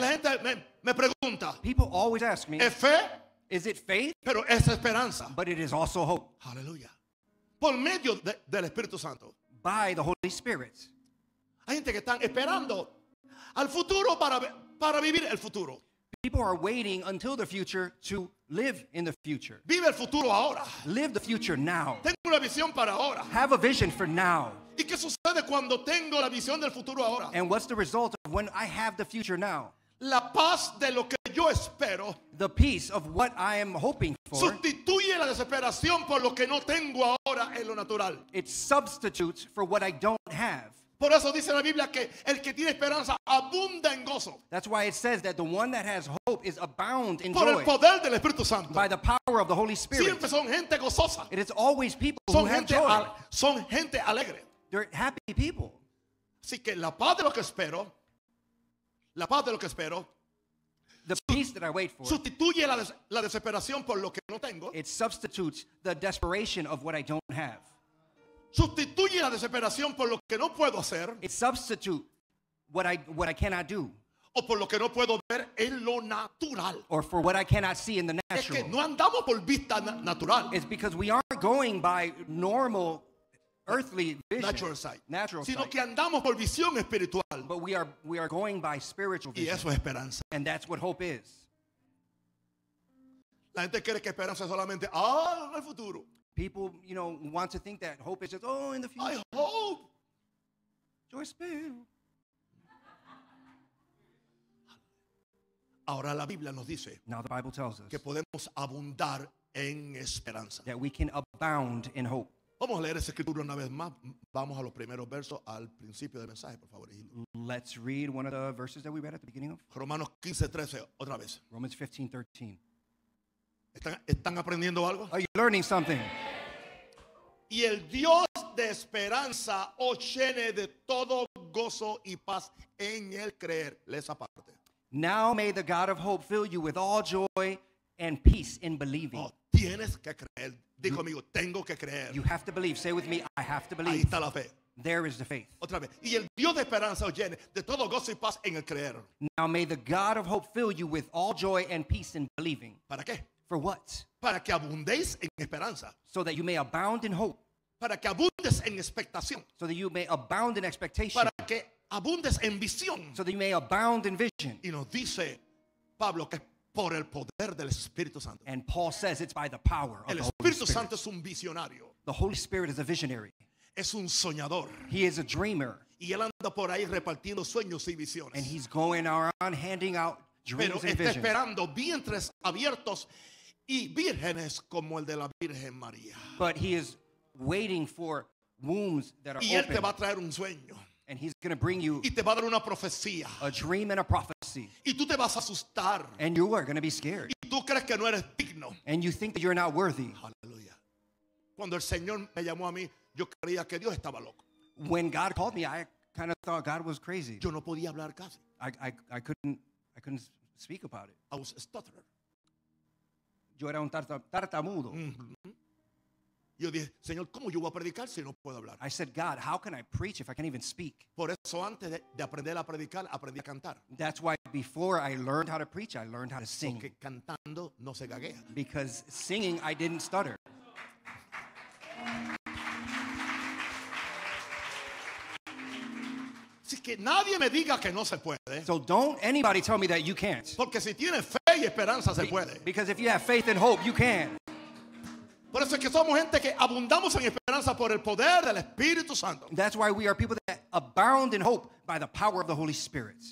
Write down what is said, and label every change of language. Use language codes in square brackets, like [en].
[es] La gente me pregunta. [en] People always ask me. [es] ¿Es fe? [en] Is it faith? [es] Pero es esperanza. [en] But it is also hope. [es] Hallelujah. Por medio del Espíritu Santo. [en] By the Holy Spirit. [es] Hay gente que están esperando al futuro para vivir el futuro. [en] People are waiting until the future to live in the future. [es] Vive el futuro ahora. [en] Live the future now. [es] Tengo una visión para ahora. [en] Have a vision for now. [es] ¿Y qué sucede cuando tengo la visión del futuro ahora? [en] And what's the result of when I have the future now? [es] La paz de lo que yo espero. [en] The peace of what I am hoping for. [es] Sustituye la desesperación por lo que no tengo ahora en lo natural. [en] It substitutes for what I don't have. [es] Por eso dice la Biblia que el que tiene esperanza abunda en gozo. [en] That's why it says that the one that has hope is abound in joy. [es] Por el poder del Espíritu Santo. [en] By the power of the Holy Spirit. [es] Siempre son gente gozosa. [en] It is always people [es] son [en] who have joy. [es] Son gente alegre. [en] They're happy people. [es] Así que la paz de lo que espero, la paz de lo que espero, [en] the peace that I wait for, [es] sustituye la desesperación por lo que no tengo. [en] It substitutes the desperation of what I don't have. [es] Sustituye la desesperación por lo que no puedo hacer. [en] It substitutes what I cannot do. [es] O por lo que no puedo ver en lo natural. [en] Or for what I cannot see in the natural. [es] Es que no andamos por vista natural. [en] It's because we aren't going by normal earthly vision. Natural sight. Natural [es] sino [en] sight. [es] Que andamos por visión espiritual. [en] But we are going by spiritual vision. [es] Y eso es esperanza. [en] And that's what hope is. [es] La gente cree que esperanza es solamente en el futuro. [en] People, you know, want to think that hope is just, oh, in the future. I hope. Joy spill. [es] Ahora la Biblia nos dice. [en] Now the Bible tells us. [es] Que podemos abundar en esperanza. [en] That we can abound in hope. [es] Vamos a leer esa escritura una vez más. Vamos a los primeros versos al principio del mensaje, por favor. [en] Let's read one of the verses that we read at the beginning of. [es] Romanos 15:13, otra vez. [en] Romans 15:13. [es] ¿Están aprendiendo algo? [en] Are you learning something? [es] Y el Dios de esperanza os llene de todo gozo y paz en el creer. Lee esa parte. [en] Now may the God of hope fill you with all joy and peace in believing. [es] Oh, tienes que creer. Digo conmigo, tengo que creer. [en] You have to believe. Say with me, I have to believe. [es] Ahí está la fe. [en] There is the faith. [es] Otra vez. Y el Dios de esperanza os llene de todo gozo y paz en el creer. [en] Now may the God of hope fill you with all joy and peace in believing. [es] ¿Para qué? [en] For what? [es] Para que abundéis en esperanza. [en] So that you may abound in hope. [es] Para que abundes en expectación. [en] So that you may abound in expectation. [es] Para que abundes en visión. [en] So that you may abound in vision. [es] Y nos dice Pablo que por el poder del Espíritu Santo. [en] And Paul says it's by the power of [es] el [en] the Holy Spirit. [es] Espíritu Santo es un visionario. [en] The Holy Spirit is a visionary. [es] Es un soñador. [en] He is a dreamer. [es] Y él anda por ahí repartiendo sueños y visiones. [en] And he's going around handing out dreams [es] Pero [en] and visions. [es] Pero está esperando vientres abiertos y vírgenes como el de la Virgen María. [en] But he is waiting for wombs that are open. [es] Y él [en] open. [es] Te va a traer un sueño. [en] And he's going to bring you [es] y te va a dar una profecía. [en] A dream and a prophecy. [es] Y tú te vas a asustar. [en] And you are going to be scared. [es] Y tú crees que no eres digno. [en] And you think that you're not worthy. Hallelujah. [es] Cuando el Señor me llamó a mí, yo creía que Dios estaba loco. [en] When God called me, I kind of thought God was crazy. [es] Yo no podía hablar casi. [en] I couldn't speak about it. I was a stutterer. [es] Yo era un tartamudo. Yo dije, Señor, ¿cómo yo voy a predicar si no puedo hablar? [en] I said, God, how can I preach if I can't even speak? [es] Por eso antes de aprender a predicar, aprendí a cantar. [en] That's why before I learned how to preach, I learned how to sing. [es] Porque cantando no se gaguea. [en] Because singing, I didn't stutter. [es] Así que nadie me diga que no se puede. [en] So don't anybody tell me that you can't. [es] Porque si tienes fe y esperanza, se puede. [en] Because if you have faith and hope, you can. [es] Por eso es que somos gente que abundamos en esperanza por el poder del Espíritu Santo. [en] That's why we are people that abound in hope by the power of the Holy Spirit.